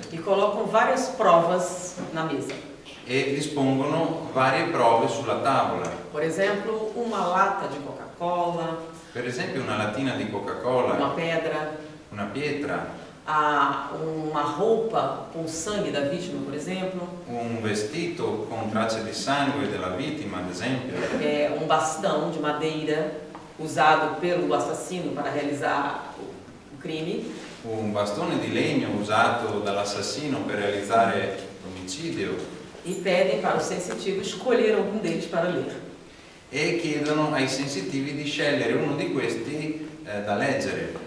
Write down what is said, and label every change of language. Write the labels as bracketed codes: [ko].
[pt] E colocam várias provas na mesa. [it] E dispongono varie prove sulla tavola. [pt] Por exemplo, uma lata de Coca-Cola. [it] Per esempio, una latina di Coca-Cola. [pt] Uma pedra. [it] Una pietra. [pt] Uma roupa com sangue da vítima, por exemplo. [it] Un vestito con tracce di sangue della vittima, ad esempio. [pt] Um bastão de madeira usado pelo assassino para realizar o crime. [it] Un bastone di legno usato dall'assassino per realizzare l'omicidio. [pt] E pedem para o sensitivo escolher algum deles para ler. [it] E chiedono ai sensitivi di scegliere uno di questi da leggere.